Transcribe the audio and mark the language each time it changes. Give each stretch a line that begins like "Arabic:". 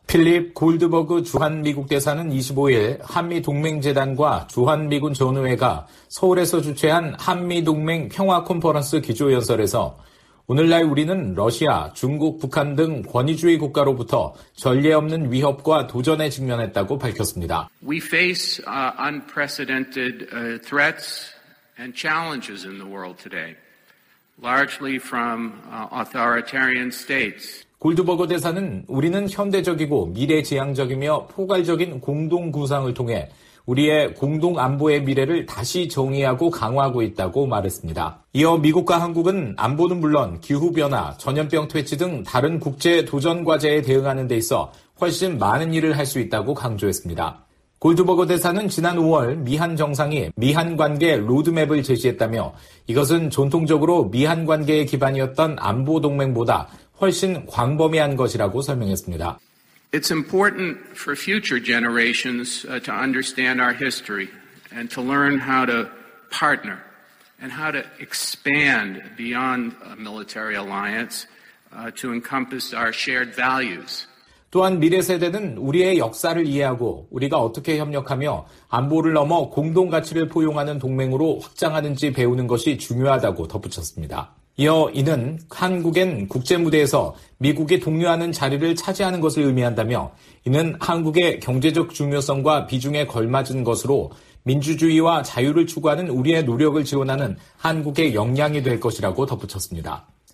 Korean: 필립 골드버그 주한미국 대사는 25일 한미동맹재단과 주한미군 전우회가 서울에서 주최한 한미동맹 평화콘퍼런스 기조연설에서 오늘날 우리는 러시아, 중국, 북한 등 권위주의 국가로부터 전례 없는 위협과 도전에 직면했다고 밝혔습니다.
English: We face unprecedented threats and challenges in the world today, largely from authoritarian states.
Korean: 골드버거 대사는 우리는 현대적이고 미래지향적이며 포괄적인 공동 구상을 통해 우리의 공동 안보의 미래를 다시 정의하고 강화하고 있다고 말했습니다. 이어 미국과 한국은 안보는 물론 기후변화, 전염병 퇴치 등 다른 국제 도전 과제에 대응하는 데 있어 훨씬 많은 일을 할 수 있다고 강조했습니다. 골드버거 대사는 지난 5월 미한 정상이 미한 관계 로드맵을 제시했다며 이것은 전통적으로 미한 관계의 기반이었던 안보 동맹보다 훨씬 광범위한 것이라고 설명했습니다.
English: It's important for future generations to understand our history and to learn how to partner and how to expand beyond a military alliance to encompass our shared values.
Korean: 또한 미래 세대는 우리의 역사를 이해하고 우리가 어떻게 협력하며 안보를 넘어 공동 가치를 포용하는 동맹으로 확장하는지 배우는 것이 중요하다고 덧붙였습니다. 이어 이는 한국엔 국제무대에서 미국이 독려하는 자리를 차지하는 것을 의미한다며 이는 한국의 경제적 중요성과 비중에 걸맞은 것으로 민주주의와 자유를 추구하는 우리의 노력을 지원하는 한국의 역량이 될 것이라고 덧붙였습니다.